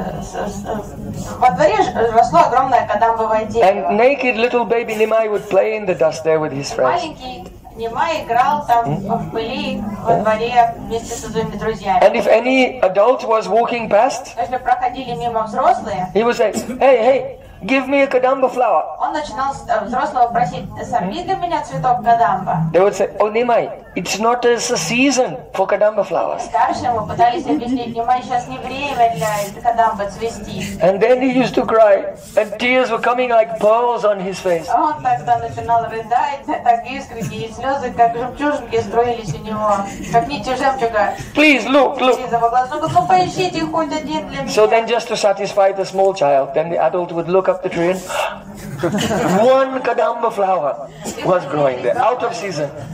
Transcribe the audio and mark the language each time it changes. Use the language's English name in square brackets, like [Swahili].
[Russian] Во дворе Джаганнатха Мишры росло огромное кадамбовое дерево. [English] And naked little baby Nimai would play in the dust there with his friends. [Russian] Маленький Nimai играл там в пыли во дворе вместе со своими друзьями. [English] And if any adult was walking past, [Russian] если проходили мимо взрослые, [English] he would say, hey, hey, give me a kadamba flower. [Russian] Он начинал взрослого просить, сорви для меня цветок кадамба. [English] They would say, oh, Nimai, it's not as a season for kadamba flowers. [Russian] Старшему пытались объяснить, Nimai, сейчас не время для кадамба цвести. [English] And then he used to cry, and tears were coming like pearls on his face. [Russian] Он тогда начинал рыдать, так искренне, и слезы, как жемчужинки, строились у него, как нити жемчуга. [English] Please, look, look. [Russian] Ну, поищите хоть один для меня. [English] So then just to satisfy the small child, then the adult would look up the tree and one kadamba flower was growing there, out of season.